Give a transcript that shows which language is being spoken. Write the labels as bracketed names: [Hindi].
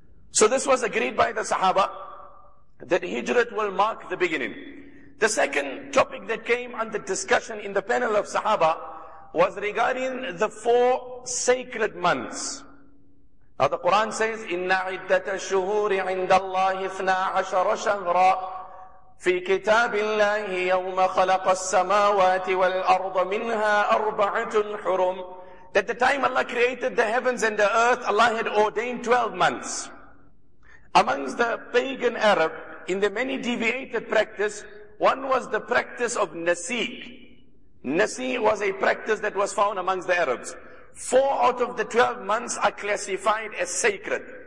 [English] So this was agreed by the sahaba, that hijrat will mark the beginning. The second topic that came under discussion in the panel of sahaba was regarding the four sacred months. Now the Quran says, [Arabic] إِنَّ عِدَّةَ الشُّهُورِ عِنْدَ اللَّهِ 12 شَهْرًا فِي كِتَابِ اللَّهِ يَوْمَ خَلَقَ السَّمَاوَاتِ وَالْأَرْضَ مِنْهَا أَرْبَعَةٌ حُرُمٌ. [English] That the time Allah created the heavens and the earth, Allah had ordained 12 months. Amongst the pagan Arab, in the many deviated practice, one was the practice of nasiq. Nasiq was a practice that was found amongst the Arabs. 4 out of the 12 months are classified as sacred.